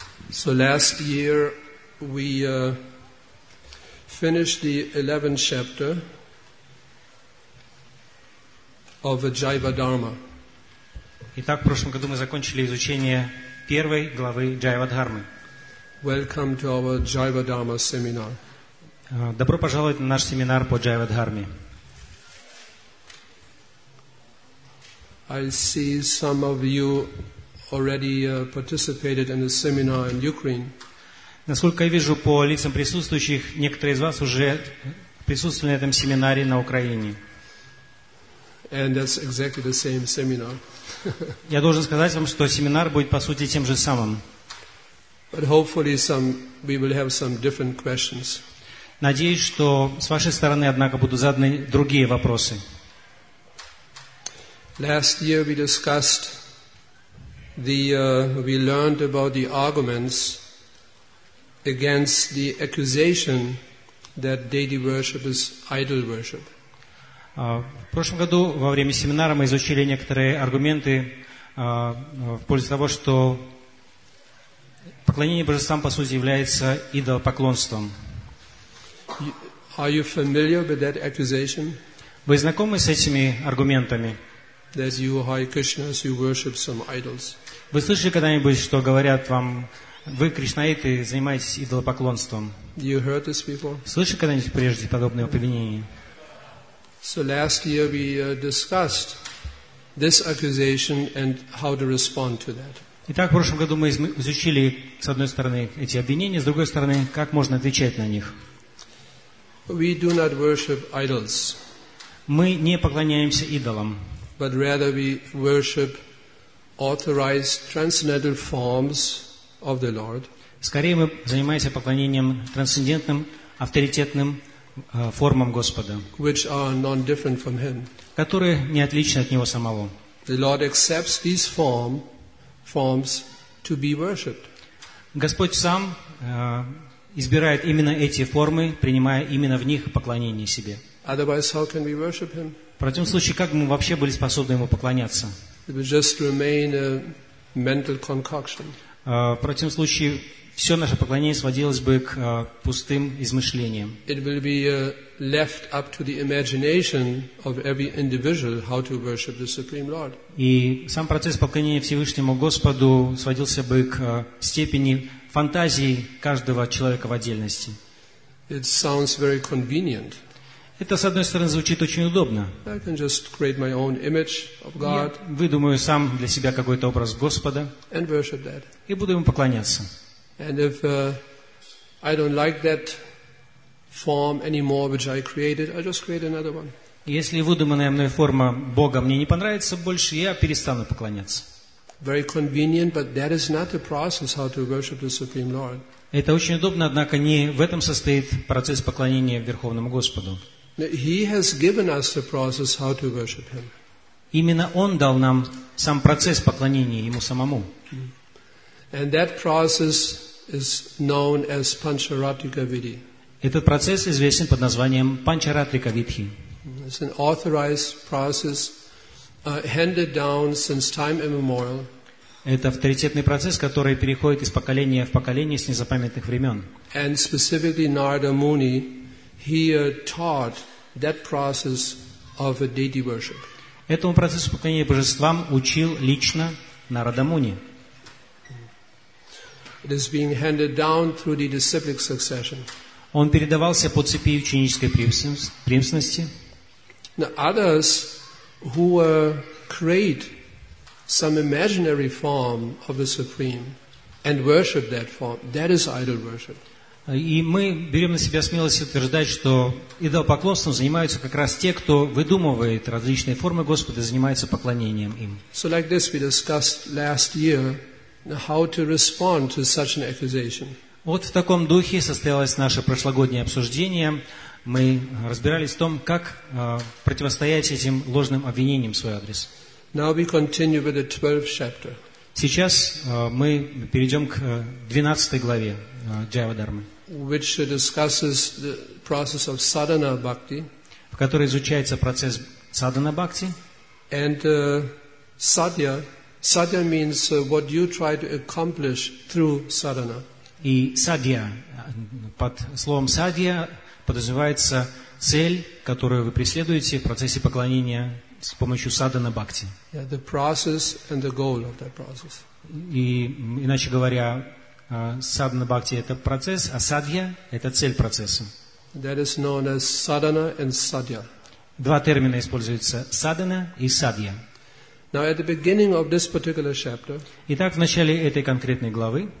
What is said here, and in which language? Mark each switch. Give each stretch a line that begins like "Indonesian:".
English: So last year, we finished the 11th chapter of the Jiva Dharma.
Russian: Итак, в прошлом году мы закончили изучение первой главы Jiva Dharma.
English: Welcome to our Jiva Dharma seminar.
Russian: Добро пожаловать на наш семинар по Jiva Dharma.
English: I see some of you already participated in a seminar in Ukraine.
Russian: Насколько я вижу по лицам присутствующих, некоторые из вас уже присутствовали на этом семинаре на Украине.
English: And that's exactly the same seminar.
Russian: Я должен сказать вам, что семинар будет по сути тем же самым.
English: But hopefully we will have some different questions.
Russian: Надеюсь, что с вашей стороны, однако, будут заданы другие вопросы.
English: Last year we discussed we learned about the arguments against the accusation that deity worship is idol worship.
Russian: В прошлом году во время семинара мы изучили некоторые аргументы в пользу того, что поклонение божествам по сути является идолопоклонством.
English: Are you familiar with that accusation?
Russian: Вы знакомы с этими аргументами?
English: That you, Hare Krishnas, you worship some idols.
Russian: Вы слышали когда-нибудь, что говорят вам, вы, кришнаиты, занимаетесь идолопоклонством?
English: You heard this before?
Russian: Слышали когда-нибудь прежде подобные обвинения?
English: So last year we discussed this accusation and how to respond to that.
Russian: Итак, в прошлом году мы изучили, с одной стороны, эти обвинения, с другой стороны, как можно отвечать на них.
English: We do not worship idols.
Russian: Мы не поклоняемся идолам.
English: But rather we worship authorized transcendental forms of the Lord.
Russian: Скорее мы занимаемся поклонением трансцендентным авторитетным формам Господа,
English: which are non-different from Him.
Russian: Которые не отличны от Него самого.
English: The Lord accepts these forms to be worshipped.
Russian: Господь сам избирает именно эти формы, принимая именно в них поклонение себе.
English: Otherwise, how can we worship Him?
Russian: В противном случае, как мы вообще были способны Ему поклоняться?
English: It would just remain a mental concoction.
Russian: В противном случае, все наше поклонение сводилось бы к пустым измышлениям.
English: It will be left up to the imagination of every individual how to worship the Supreme Lord.
Russian: И сам процесс поклонения Всевышнему Господу сводился бы к степени фантазии каждого человека в отдельности.
English: It sounds very convenient.
Russian: Это, с одной стороны, звучит очень удобно.
English: I can just create my own image of God.
Russian: Я выдумаю сам для себя какой-то образ Господа
English: and worship that.
Russian: И буду ему поклоняться.
English: And if I don't like that form anymore which I created, I'll just create another one.
Russian: Если выдуманная мной форма Бога мне не понравится больше, я перестану поклоняться.
English: Very convenient, but that is not the process how to worship the Supreme Lord.
Russian: Это очень удобно, однако не в этом состоит процесс поклонения Верховному Господу.
English: He has given us the process how to worship Him.
Russian: Именно Он дал нам сам процесс поклонения Ему самому.
English: And that process is known as Pancharatrika Vidhi.
Russian: Этот процесс известен под названием Pancharatrika Vidhi.
English: It's an authorized process handed down since time immemorial.
Russian: Это авторитетный процесс, который переходит из поколения в поколение с незапамятных времен.
English: And specifically Narada Muni, he taught that process of deity worship.
Russian: Этому процессу поклонения божествам учил лично Нарада Муни.
English: It is being handed down through the disciplic succession.
Russian: Он передавался по цепи ученической преемственности.
English: Now others who create some imaginary form of the Supreme and worship that form, that is idol worship.
Russian: И мы берем на себя смелость утверждать, что идолопоклонством занимаются как раз те, кто выдумывает различные формы Господа и занимается поклонением им.
English: So like this we discussed last year, how to respond to such an accusation.
Russian: Вот в таком духе состоялось наше прошлогоднее обсуждение. Мы разбирались в том, как противостоять этим ложным обвинениям в свой адрес.
English: Now we continue with the 12th chapter.
Russian: Сейчас мы перейдем к 12 главе Джайвадармы,
English: which discusses the process of sadhana bhakti,
Russian: в которой изучается процесс садхана бхакти.
English: And sadhya means what you try to accomplish through sadhana.
Russian: И садья, под словом садья подразумевается цель, которую вы преследуете в процессе поклонения с помощью садхана бхакти.
English: Yeah, the process and the goal of that process.
Russian: И иначе говоря, садхана бхакти это процесс, а садья это цель процесса.
English: That is known as sadhana and sadhya.
Russian: Два термина используются: садхана и садья.
English: Now at the beginning of this particular chapter,
Russian: итак, в начале этой конкретной главы,